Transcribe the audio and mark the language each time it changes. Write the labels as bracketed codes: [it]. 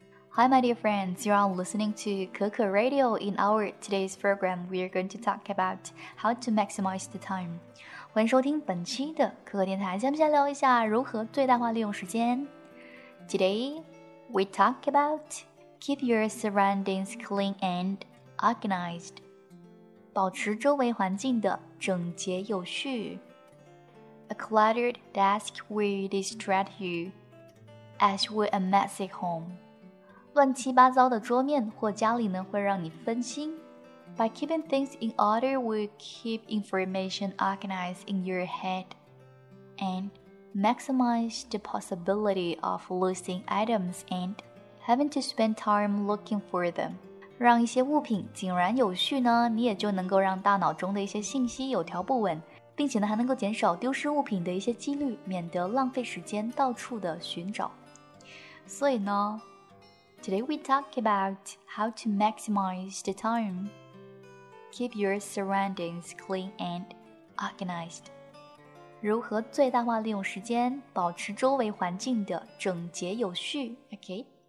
[en] Hi, my dear friends, you are listening to Keke Radio. In our today's program, we are going to talk about how to maximize the time. [zh] 欢迎收听本期的Keke电台，下面聊一下如何最大化利用时间。 [en] Today, we talk about keep your surroundings clean and organized. [zh] 保持周围环境的整洁有序。 [en] A cluttered desk will distract you, as will a messy home. [zh] 乱七八糟的桌面或家里呢会让你分心。 [en] By keeping things in order, we keep information organized in your head and maximize the possibility of losing items and having to spend time looking for them. [zh] 让一些物品井然有序呢，你也就能够让大脑中的一些信息有条不紊，并且呢还能够减少丢失物品的一些几率，免得浪费时间到处的寻找。所以呢， [en] Today we talk about how to maximize the time. Keep your surroundings clean and organized. [zh] 如何最大化利用时间，保持周围环境的整洁有序 ？OK.